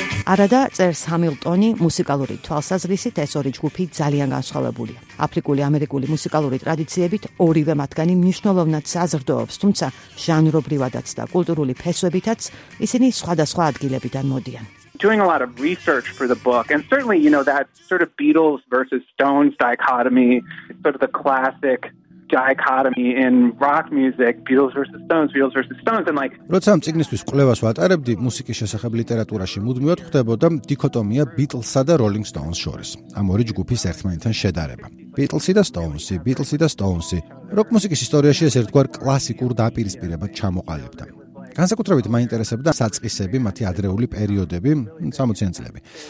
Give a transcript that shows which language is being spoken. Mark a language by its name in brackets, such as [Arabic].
[Georgian] არადა წერს ჰამილტონი, მუსიკალური თვალსაზრისით ეს ორი ჯგუფი ძალიან განსხვავებულია. აფრიკული ამერიკული მუსიკალური ტრადიციებით ორივე მათგანი მნიშვნელოვნად საზრდოობს, თუმცა ჟანრობრივადაც და კულტურული ფესვებითაც ისინი სხვადასხვა ადგილებიდან მოდიან. [English] Doing a lot of research for the book and certainly you know that sort of Beatles versus Stones dichotomy, sort of the classic dichotomy in rock music, Beatles versus Stones, Beatles versus Stones and like [Georgian] როცა ამ წიგნისთვის კვლევას ვატარებდი, მუსიკის შესახებ ლიტერატურაში მუდმივად ხვდებოდა დიქოტომია ბიტლსსა და როლინგ სტოუნს შორის. ამ ორი ჯგუფის ერთმანეთთან შედარება. ბიტლსი და სტოუნსი როკ მუსიკის ისტორიაში ეს ერთგვარ კლასიკურ დაპირისპირებად ჩამოყალიბდა. განსაკუთრებით მაინტერესებდა საწყისები, მათი ადრეული პერიოდები, 60-იან წლები.